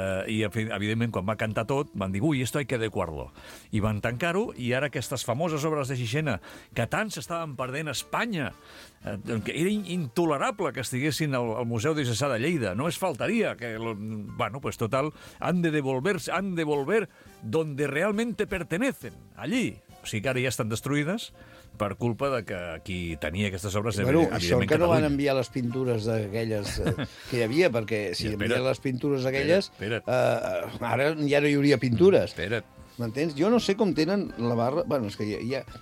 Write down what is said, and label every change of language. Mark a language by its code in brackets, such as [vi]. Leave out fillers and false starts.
[ca] I, evidentment, quan va cantar tot, van dir, ui, [es] esto hay que adecuarlo. [ca] I van tancar-ho, i ara aquestes famoses obres de Xixena, que tant s'estaven perdent a Espanya, que era intolerable que estiguessin al Museu de Cesà de Lleida. No es faltaria que... [es] Bueno, pues total, han de volver donde realmente pertenecen, allí. [ca] O sigui que ara ja estan destruïdes, per culpa de que qui tenia aquestes obres... Bueno, això que no van enviar les pintures d'aquelles que hi havia, perquè si enviaven les pintures d'aquelles... Ara ja no hi hauria pintures. Espera't. M'entens? Jo no sé com tenen la barra... Bueno, és que ja...